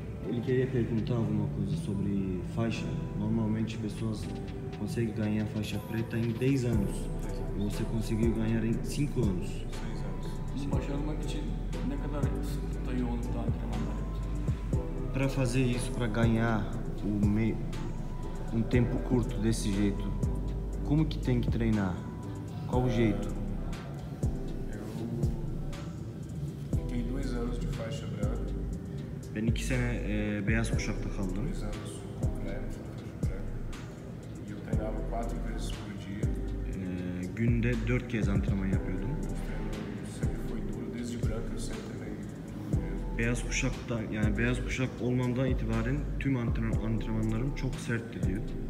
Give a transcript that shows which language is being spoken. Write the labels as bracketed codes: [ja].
[pt] Ele queria perguntar alguma coisa sobre faixa. Normalmente pessoas conseguem ganhar faixa preta em 10 anos. Você conseguiu ganhar em 5 anos. 6 anos. [tr] Başarmak için ne kadar sıklıkta, yoğunlukta antrenmanlar yaptın? [pt] Para fazer isso, para ganhar o meio um tempo curto desse jeito, como que tem que treinar? Qual o jeito? Eu fiquei 2 anos de faixa branca. [tr] Ben 2 sene beyaz kuşakta kaldım. [pt] 2 anos completo de faixa branca. E eu treinava 4 vezes por dia. [tr] Günde 4 kez antrenman yapıyordum. [pt] Sempre foi duro desde branco, sempre treinei duro. [tr] Beyaz kuşakta, yani beyaz kuşak olmamdan itibaren tüm antrenmanlarım çok sertti diyor.